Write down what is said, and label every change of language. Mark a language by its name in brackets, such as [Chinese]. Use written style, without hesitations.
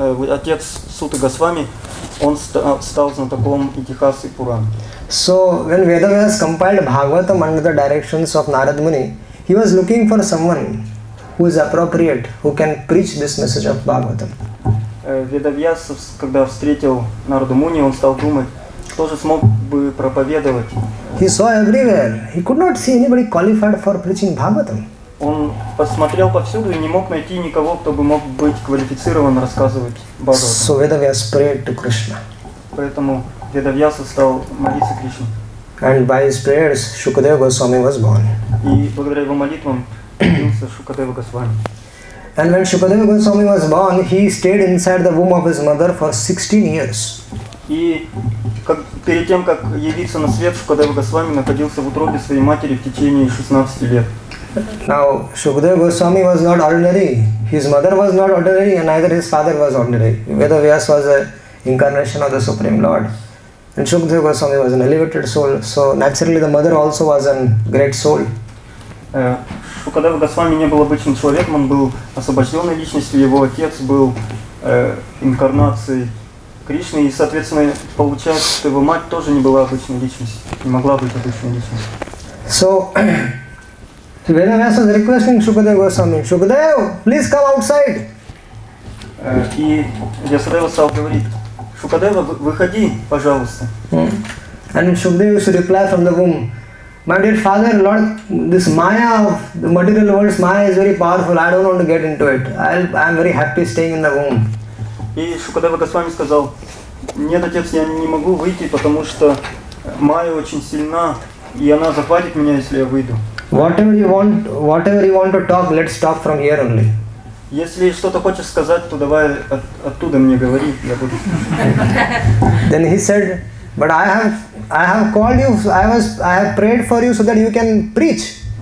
[Russian] Отец Сута Госвами, он стал знатоком Итихасы и Пуран. [English] So when Vedavyas compiled Bhagavatam under the directions of Narad Muni, he was looking for someone who is appropriate, who can preach this message of Bhagavatam. [Russian] Ведавьяс, когда встретил Нараду Муни, он стал думать, кто же смог бы проповедовать. [English] He saw everywhere. He could not see anybody qualified for preaching Bhagavatam. [Russian] Он посмотрел повсюду и не мог найти никого, кто бы мог быть квалифицирован рассказывать Бхагаватам. [English] So Ведавьяс prayed to Krishna. [Russian] Поэтому Ведавьяс стал молиться Кришне. [English] And by his prayers, Shukadev Goswami was born. [Russian] И благодаря его молитвам родился Шукадева Госвами. [English] And when Shukadeva Goswami was born, he stayed inside the womb of his mother for 16 years. [Russian] И как перед тем как явиться на свет, Шукадева Госвами находился в утробе своей матери в течение 16 лет. [English] Now Shukadeva Goswami was not ordinary. His mother was not ordinary, and neither his father was ordinary. Vedavyas was an incarnation of the Supreme Lord, and Shukadeva Goswami was an elevated soul. So naturally, the mother also was a great soul. [Russian] Шукадев Госвами не был обычным человеком, он был освобожденной личностью, его отец был инкарнацией Кришны, и, соответственно, получается, что его мать тоже не была обычной личностью, не могла быть обычной личностью. [English] So, Vedavyas was requesting Shukadev Goswami, Shukadev, please come outside! [Russian] И Ясадев стал говорить, Шукадев, выходи, пожалуйста. [English] And Shukadev used to reply from the womb, My dear father, Lord, this Maya of the material world's Maya is very powerful. I don't want to get into it. I am very happy staying in the womb. [Russian] И Шукадева Госвами сказал, нет, отец, я не могу выйти, потому что Майя очень сильна, и она захватит меня, если я выйду. [English] Whatever you want to talk, let's talk from here only. [Russian] Если что-то хочешь сказать, то давай оттуда мне говори, я буду. [English] Then he said, but I have called you, I have prayed for you so that you can preach.